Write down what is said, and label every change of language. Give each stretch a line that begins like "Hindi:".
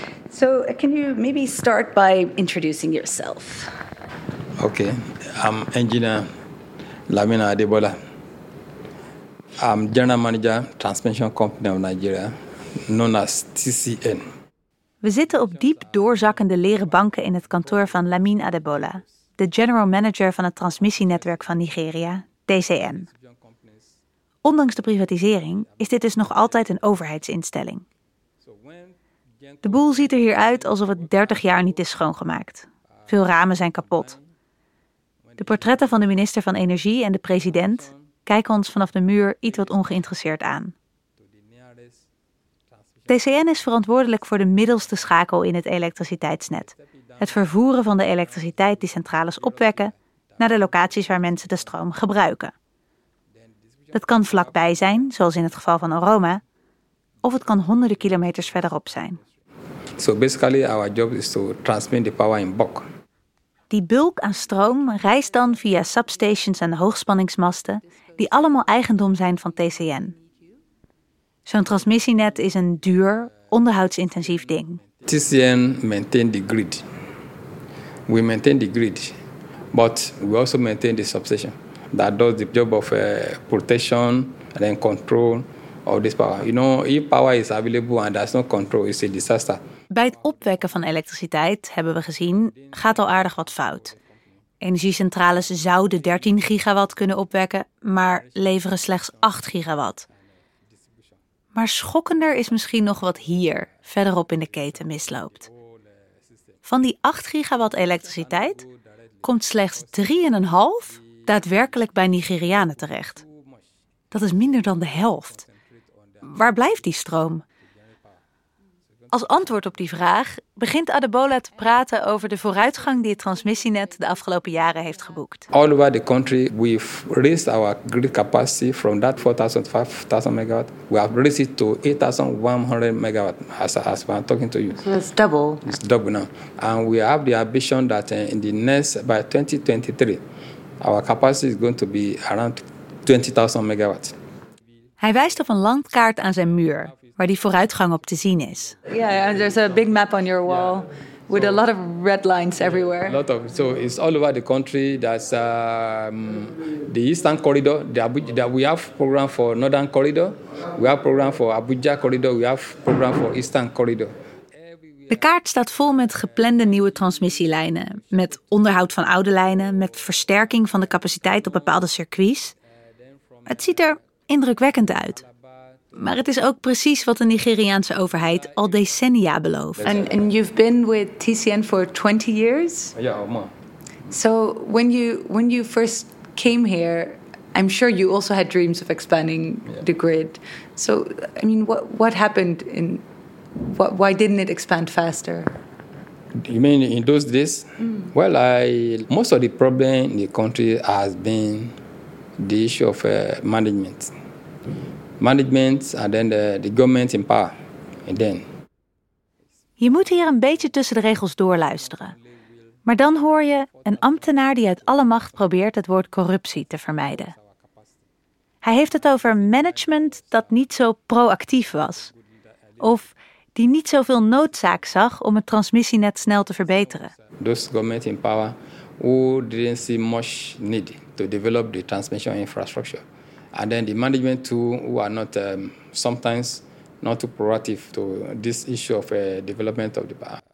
English: So can you maybe start by introducing yourself? Okay. I'm engineer Lamina Adebola. I'm general manager, Transmission Company of Nigeria, known as TCN.
Dutch: We zitten op diep doorzakkende leren banken in het kantoor van Lamine Adebola, de general manager van het transmissienetwerk van Nigeria, TCN. Ondanks de privatisering is dit dus nog altijd een overheidsinstelling. De boel ziet er hier uit alsof het 30 jaar niet is schoongemaakt. Veel ramen zijn kapot. De portretten van de minister van Energie en de president kijken ons vanaf de muur iets wat ongeïnteresseerd aan. TCN is verantwoordelijk voor de middelste schakel in het elektriciteitsnet. Het vervoeren van de elektriciteit die centrales opwekken naar de locaties waar mensen de stroom gebruiken. Dat kan vlakbij zijn, zoals in het geval van Oroma, of het kan honderden kilometers verderop zijn.
English: So basically our job is to transmit the power in bulk.
Dutch: Die bulk aan stroom reist dan via substations en hoogspanningsmasten die allemaal eigendom zijn van TCN. Zo'n transmissienet is een duur, onderhoudsintensief ding.
English: TCN maintain the grid. We maintain the grid, but we also maintain the substation that does the job of protection and then control of this power. You know, if power is available and there's no control, it's a disaster.
Dutch: Bij het opwekken van elektriciteit, hebben we gezien, gaat al aardig wat fout. Energiecentrales zouden 13 gigawatt kunnen opwekken, maar leveren slechts 8 gigawatt. Maar schokkender is misschien nog wat hier, verderop in de keten, misloopt. Van die 8 gigawatt elektriciteit komt slechts 3,5 daadwerkelijk bij Nigerianen terecht. Dat is minder dan de helft. Waar blijft die stroom? Als antwoord op die vraag begint Adebola te praten over de vooruitgang die het transmissienet de afgelopen jaren heeft geboekt.
English: All over the country we've raised our grid capacity from that 4,500 megawatt. We have raised it to 8,100 megawatt as we are talking to you. So it's double. It's double now. And we have the ambition that in the next, by 2023, our capacity is going to be around 20,000 megawatt.
Dutch: Hij wijst op een landkaart aan zijn muur, waar die vooruitgang op te zien is.
English: Yeah, and there's a big map on your wall with a lot of red lines everywhere. A lot of, so it's all over the country. That's the Eastern Corridor, the Abuja, that we have program for Northern Corridor. We have program for Abuja Corridor. We have program for Eastern Corridor.
Dutch: De kaart staat vol met geplande nieuwe transmissielijnen, met onderhoud van oude lijnen, met versterking van de capaciteit op bepaalde circuits. Het ziet er indrukwekkend uit. Maar het is ook precies wat de Nigeriaanse overheid al decennia belooft.
English: And you've been with TCN for 20 years? Ja, yeah, man. So when you first came here, I'm sure you also had dreams of expanding the grid. So I mean, what happened in why didn't it expand faster? You mean in those days? Mm. Well, most of the problem in the country has been the issue of management. Management and then the government in power. And then.
Dutch: Je moet hier een beetje tussen de regels doorluisteren. Maar dan hoor je een ambtenaar die uit alle macht probeert het woord corruptie te vermijden. Hij heeft het over management dat niet zo proactief was. Of die niet zoveel noodzaak zag om het transmissienet snel te verbeteren.
English: Those government in power who didn't see much need to develop the transmission infrastructure. And then the management too, who are not sometimes not too proactive to this issue of development of the power.